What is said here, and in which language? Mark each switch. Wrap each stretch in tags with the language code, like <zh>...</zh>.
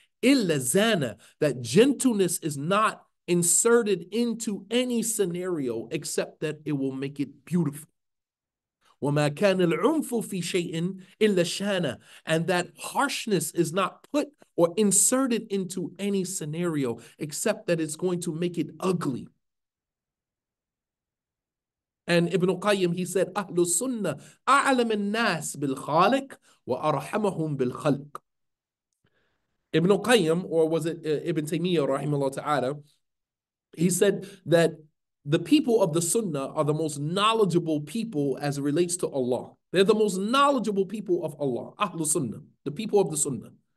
<en>illa zana, that gentleness is not inserted into any scenario except that it will make it beautiful.</en> <ar>وَمَا كَانَ الْعُنْفُ فِي شَيْءٍ إِلَّا شَانَ,</ar> <en>and that harshness is not put or inserted into any scenario except that it's going to make it ugly. And Ibn Qayyim, he said,</en> <ar>أَهْلُ السُنَّةِ أَعْلَمِ النَّاسِ بِالْخَالِقِ وَأَرْحَمَهُمْ بِالْخَلْقِ.</ar> <en>Ibn Qayyim, or was it Ibn Taymiyyah, rahimahullah ta'ala, he said that the people of the Sunnah are the most knowledgeable people as it relates to Allah. They're the most knowledgeable people of Allah, Ahlul Sunnah, the people of the Sunnah.</en>